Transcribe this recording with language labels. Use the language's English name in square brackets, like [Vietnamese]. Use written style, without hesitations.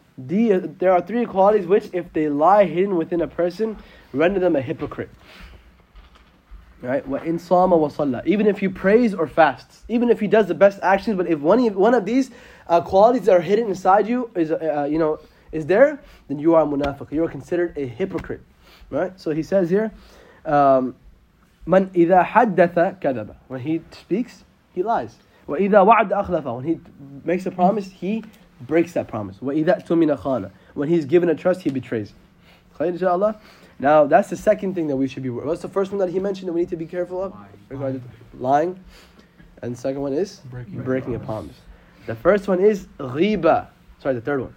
[English] There are three qualities which, if they lie hidden within a person, render them a hypocrite. Right? [Arabic] وإن صام وصلى. [English] Even if he prays or fasts, even if he does the best actions, but if one of these qualities that are hidden inside you is is there, then you are a munafiq. You are considered a hypocrite. Right? So he says here, [Arabic] من إذا حدث كذب. [English] When he speaks, he lies. [Arabic] وإذا وعد أخلف. [English] When he makes a promise, he breaks that promise. [Arabic] وإذا اؤتمن خان. [English] When he's given a trust, he betrays. [Arabic] خير إن شاء الله. [English] Now, that's the second thing that we should be worried. What's the first one that he mentioned that we need to be careful of? Lying. And the second one is? Breaking a promise. The first one is غيبة. Sorry, the third one.